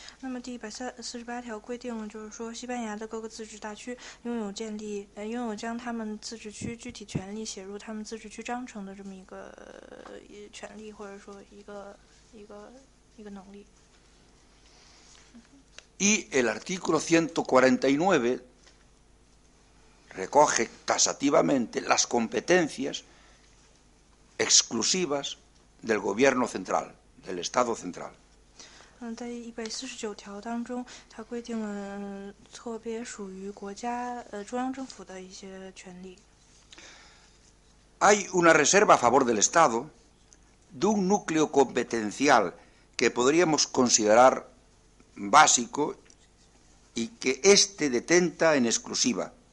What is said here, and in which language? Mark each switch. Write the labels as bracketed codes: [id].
[zh] 那么第148条规定了，就是说西班牙的各个自治大区拥有建立、拥有将他们自治区具体权利写入他们自治区章程的这么一个、权利，或者说一个能力。 [es] Y el artículo 149 recoge taxativamente las competencias exclusivas del gobierno central. Del Estado central. [zh] 在149条当中，它规定了特别属于国家、中央政府的一些权利。 [es] Hay una reserva a favor del Estado de un núcleo competencial que podríamos considerar básico y que este detenta en exclusiva.